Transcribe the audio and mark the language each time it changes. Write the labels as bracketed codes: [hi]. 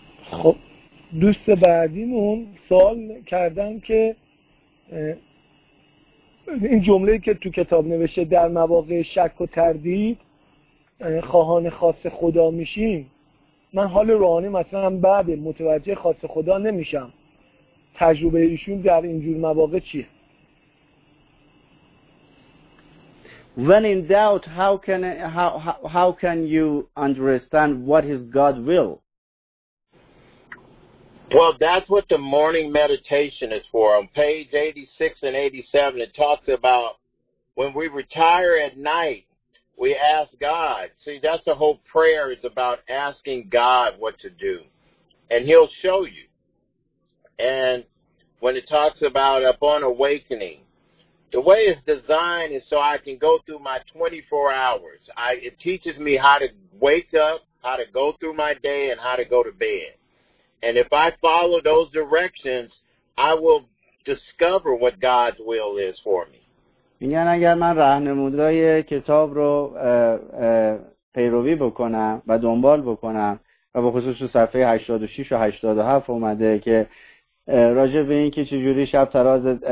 [fa] خب دوست بعدیمون سوال کردن که این جمله‌ای که تو کتاب نوشته، در مواقع شک و تردید خواهان خاص خدا میشیم. من حال روحانی مثلا بعد متوجه خاص خدا نمیشم، تجربه ایشون در اینجور مواقع چیه؟ [en] When in doubt, how can you understand what is God's will? Well, that's what the morning meditation is for. On page 86 and 87, it talks about when we retire at night, we ask God. See, that's the whole prayer is about asking God what to do, and he'll show you. And when it talks about upon awakening, the way it's designed is so I can go through my 24 hours. It teaches me how to wake up, how to go through my day, and how to go to bed. And if I follow those directions, I will discover what God's will is for me. [fa] میگن اگر من راهنمودهای کتاب رو پیروی بکنم و دنبال بکنم و به خصوص تو صفحه 86 و 87 اومده که راجع به این که چجوری شب تراز